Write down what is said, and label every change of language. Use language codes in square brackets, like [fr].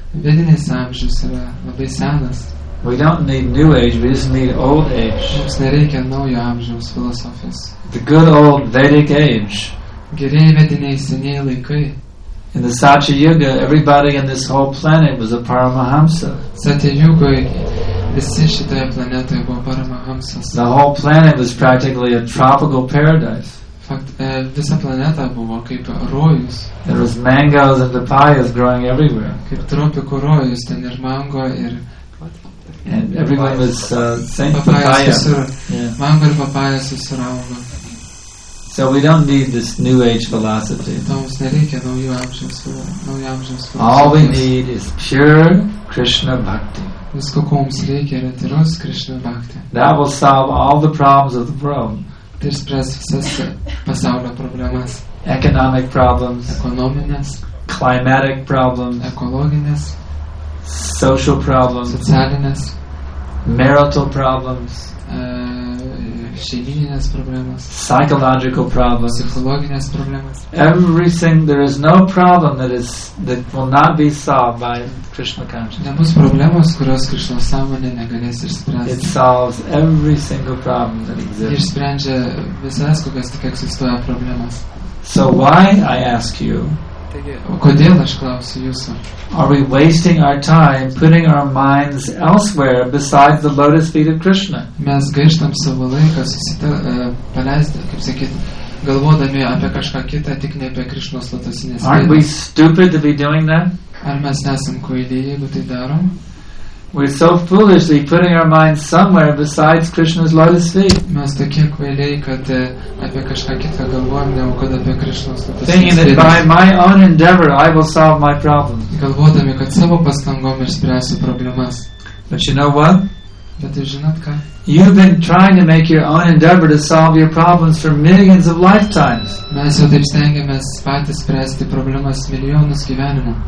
[en] We don't need New Age, we just need Old Age. [lt] Mums nereikia naujo amžiaus filosofijos. [en] The good old Vedic Age. [lt] Gerieji vediniai senieji laikai. [en] In the Satya Yuga, everybody on this whole planet was a Paramahamsa. [lt] Satya Yugoje visi šitoje planetoje buvo Paramahamsas. [en] The whole planet was practically a tropical paradise. [lt] visa planeta buvo kaip rojus. [en] There was mangoes and papayas growing everywhere. [lt] Kaip tropikų rojus, ten ir mango ir [en] and everyone was saying [lt] mango ir papaya susiraugo. [en] So we don't need this New Age philosophy. [lt] Mums nereikia naujų amžiaus filosofijos. [en] All we need is pure Krishna bhakti. [lt] Visko, ko mums reikia, yra tyros Krishna bhakti. [en] That will solve all the problems of the world. [lt] Tai spręs visas pasaulio problemas. [en] Economic problems. [lt] Ekonominės. [en] Climatic problems. [lt] Ekologinės. [en] Social problems. [lt] Socialinės. [en] Marital problems. [lt] Šeimyninės problemas. [en] Psychological problems. [lt] Psichologinės problemas. [en] Everything, there is no problem that is that will not be solved by Krishna consciousness. [lt] Nebus problemos, kurios Krishna sąmonė negalės išspręsti. [en] It solves every single problem that exists. [lt] Ir sprendžia visas, kokias tik egzistuoja problemas. [en] So why, I ask you, [lt] kodėl aš klausiu jūsų? [en] Are we wasting our time putting our minds elsewhere besides the lotus feet of Krishna? [lt] Mes gaištam savo laiką paleisti, kaip sakyt, galvodami apie kažką kitą, tik ne apie Krishnos lotosinės feet. [en] Aren't we stupid to be doing that? [lt] Ar mes nesam kvaili, jeigu tai darom? [en] We're so foolishly putting our minds somewhere besides Krishna's lotus feet. [lt] Mes tokie kvailiai, kad apie kažką kitą galvojam, negu kad apie [en] Krishna's lotus feet. Thinking that by my own endeavor I will solve my problems. [lt] Galvodami, kad savo pastangom išspręsiu problemas. [en] But you know what? [lt] Bet jūs žinot ką? [en] You've been trying to make your own endeavor to solve your problems for millions of lifetimes. [lt] Mes jau taip stengiamės patys spręsti problemas milijonus gyvenimų.